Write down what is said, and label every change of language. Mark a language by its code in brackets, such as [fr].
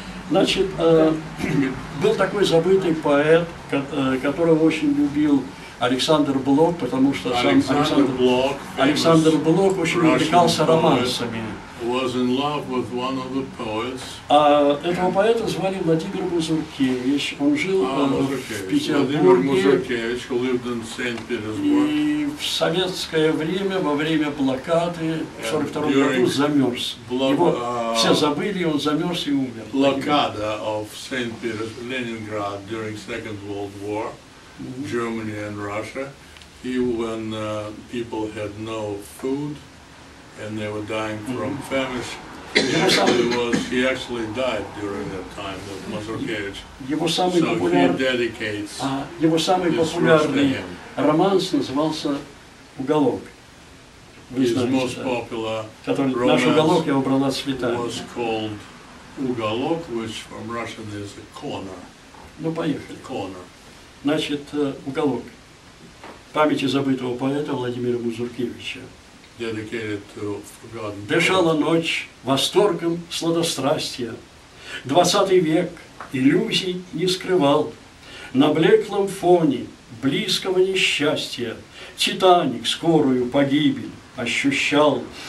[ru] Значит, был такой забытый поэт, которого очень любил Александр Блок, потому что сам Александр Блок очень увлекался романсами. [en] was in love with one of the poets. [ru] Этого поэта звали Владимир Мазуркевич. Он жил в Петербурге. [en] Владимир Мазуркевич, who lived in St. Petersburg. [ru] И в советское время, во время блокады, в 42-м году замерз. Его все забыли, он замерз и умер. [en] Блокада of St. Petersburg, Leningrad, during Second World War, Germany and Russia. When people had no food, and they were dying from famish, he actually died during that time, Мазуркевич. [ru] Его самый популярный роман назывался «Уголок». Наш уголок я убрал от света. [en] Was called «Уголок», which from Russian is a corner. [ru] Ну поехали. [en] Corner. [ru] Значит, уголок. Памяти забытого поэта Владимира Мазуркевича. [en] Dedicated to forgotten. [ru] Дышала ночь восторгом сладострастия. Двадцатый век иллюзий не скрывал. На блеклом фоне близкого несчастья Титаник скорую погибель ощущал.